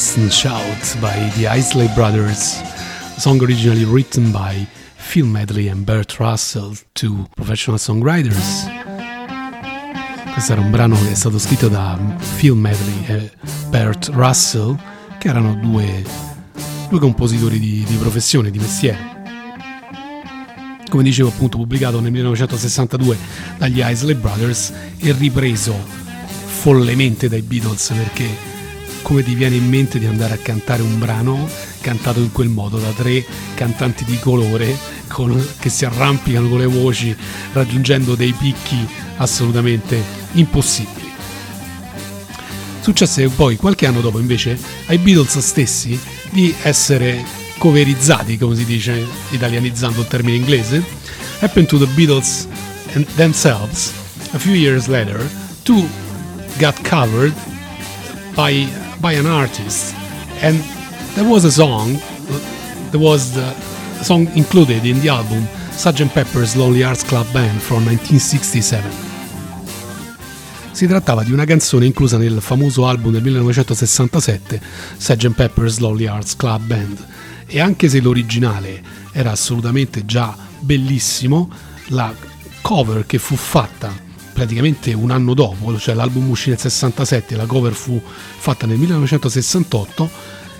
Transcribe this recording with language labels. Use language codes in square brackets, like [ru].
[en] Shout by the Isley Brothers, song originally written by Phil Medley and Bert Russell, two professional songwriters. [it] Questo era un brano che è stato scritto da Phil Medley e Bert Russell, che erano due compositori di professione, di mestiere. Come dicevo, appunto, pubblicato nel 1962 dagli Isley Brothers e ripreso follemente dai Beatles, perché come ti viene in mente di andare a cantare un brano cantato in quel modo da tre cantanti di colore che si arrampicano con le voci raggiungendo dei picchi assolutamente impossibili. Successe poi qualche anno dopo invece ai Beatles stessi di essere coverizzati, come si dice italianizzando il termine inglese. [en] Happened to the Beatles and themselves a few years later, two got covered by an artist, and there was a song, there was the song included in the album Sgt. Pepper's Lonely Hearts Club Band from 1967. [it] Si trattava di una canzone inclusa nel famoso album del 1967, Sgt. Pepper's Lonely Hearts Club Band, e anche se l'originale era assolutamente già bellissimo, la cover che fu fatta praticamente un anno dopo, cioè l'album uscì nel 67, la cover fu fatta nel 1968,